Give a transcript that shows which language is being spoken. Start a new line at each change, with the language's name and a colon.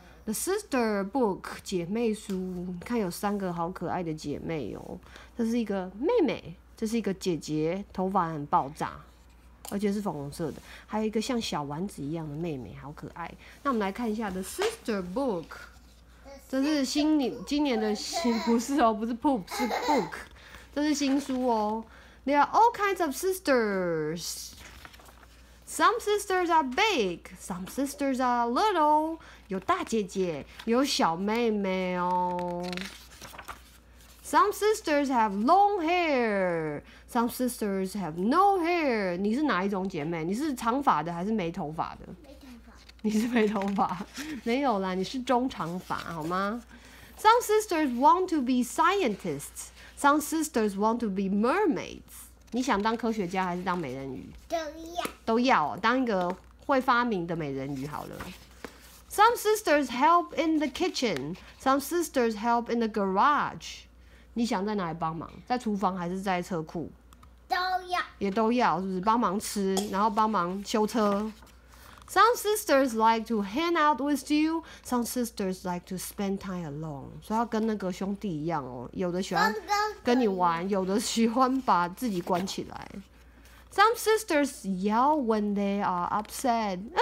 English: The Sister Book 姐妹书。
Chinese: 看有三个好可爱的姐妹哦，这是一个妹妹，这是一个姐姐，头发很爆炸，而且是粉红色的，还有一个像小丸子一样的妹妹，好可爱。那我们来看一下 The Sister Book。这是今年的新，不是哦，不是 poop， 是 book， 这是新书哦。
English: There are all kinds of sisters. Some sisters are big, some sisters are little.
Chinese: 有大姐姐，有小妹妹哦。
English: Some sisters have long hair, some sisters have no hair.
Chinese: 你是哪一种姐妹？你是长发的还是没头发的？你是没头发，没有啦，你是中长发，好吗？
English: Some sisters want to be scientists. Some sisters want to be mermaids.
Chinese: 你想当科学家还是当美人鱼？都要。都要哦，当一个会发明的美人鱼好了。
English: Some sisters help in the kitchen. Some sisters help in the garage.
Chinese: 你想在哪里帮忙？在厨房还是在车库？都要。也都要，是不是？帮忙吃，然后帮忙修车。
English: Some sisters like to hang out with you. Some sisters like to spend time alone.
Chinese: 所以要跟那个兄弟一样哦，有的喜欢跟你玩，有的喜欢把自己关起来。
English: Some sisters yell when they are upset.